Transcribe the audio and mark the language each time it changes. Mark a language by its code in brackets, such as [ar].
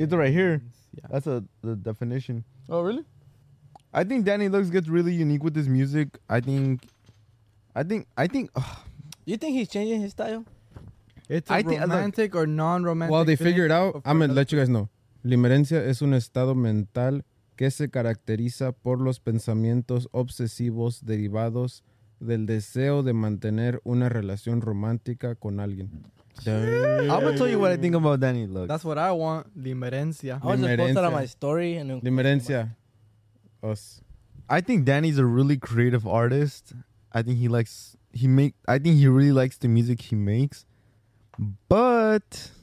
[en] It's right here. Yeah. That's the definition. Oh, really? I think Danny Lux gets really unique with his music. I think. You think he's changing his style? It's romantic or non-romantic. While they figure it out, I'm going to let you guys know. [es] Limerencia es un estado mental que se caracteriza por los pensamientos obsesivos derivados del deseo de mantener una relación romántica con alguien. [en] Yeah. I'm going to tell you what I think about Danny Lux. That's what I want. Limerencia. I was just posted on my story. And Limerencia. Us. I think Danny's a really creative artist. I think he really likes the music he makes. But